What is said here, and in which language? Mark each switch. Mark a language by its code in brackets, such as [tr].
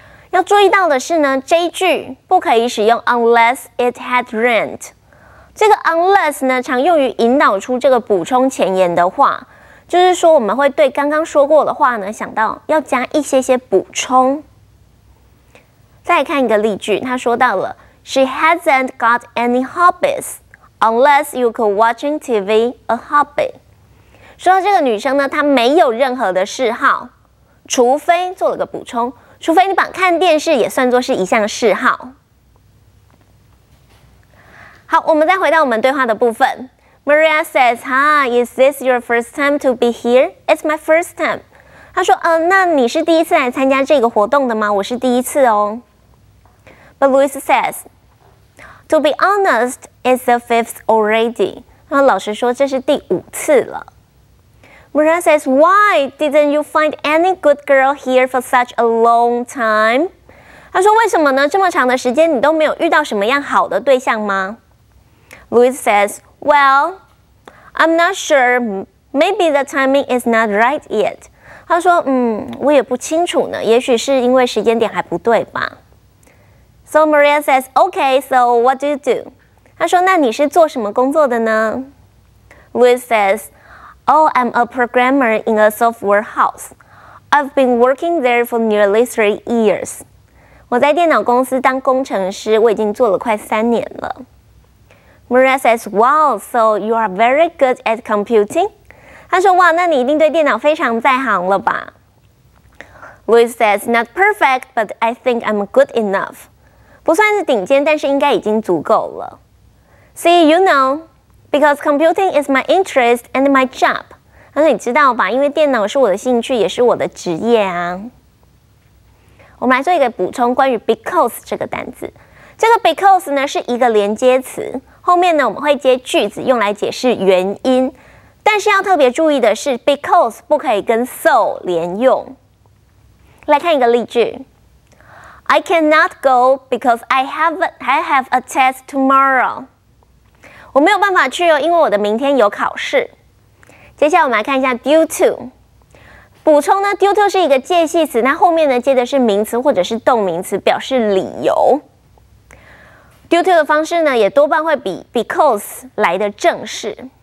[zh] 要注意到的是呢，这一句不可以使用 [en] unless it had rained. [zh] 这个 unless 呢，常用于引导出这个补充前言的话，就是说我们会对刚刚说过的话呢，想到要加一些些补充。再看一个例句，他说到了 [en] She hasn't got any hobbies, unless you could watch TV a hobby. [zh] 说到这个女生呢，她没有任何的嗜好，除非做了个补充，除非你把看电视也算作是一项嗜好。好，我们再回到我们对话的部分。 [en] Maria says, "Hi, is this your first time to be here? It's my first time." [zh] 她说，那你是第一次来参加这个活动的吗？我是第一次哦。 [en] But Louis says, "To be honest, it's the fifth already." [zh] 他老实说，这是第五次了。 [en] Maria says, "Why didn't you find any good girl here for such a long time?" [zh] 他说，为什么呢？这么长的时间，你都没有遇到什么样好的对象吗？ [en] Louis says, "Well, I'm not sure. Maybe the timing is not right yet." [zh] 他说，我也不清楚呢。也许是因为时间点还不对吧。 [en] So Maria says, "Okay, so what do you do?" [zh] 他说，那你是做什么工作的呢？ [en] Louis says, "Oh, I'm a programmer in a software house. I've been working there for nearly 3 years." [zh] 我在电脑公司当工程师，我已经做了快3年了。 [en] Maria says, wow, so you are very good at computing? [zh] 她说，哇，那你一定对电脑非常在行了吧。 [en] Louis says, not perfect, but I think I'm good enough. [zh] 不算是顶尖，但是应该已经足够了。 [en] See, you know, because computing is my interest and my job. [zh] 但是你知道吧，因为电脑是我的兴趣，也是我的职业啊。我们来做一个补充，关于 because 这个单字。这个 because 呢是一个连接词，后面呢我们会接句子用来解释原因。但是要特别注意的是 because 不可以跟 so 连用。来看一个例句。 [en] I cannot go because I have a test tomorrow. [zh] 我没有办法去哦，因为我的明天有考试。接下来我们来看一下 due to。补充呢 due to 是一个介系词，那后面呢接的是名词或者是动名词，表示理由。 due to 的方式呢也多半会比 because 来的正式。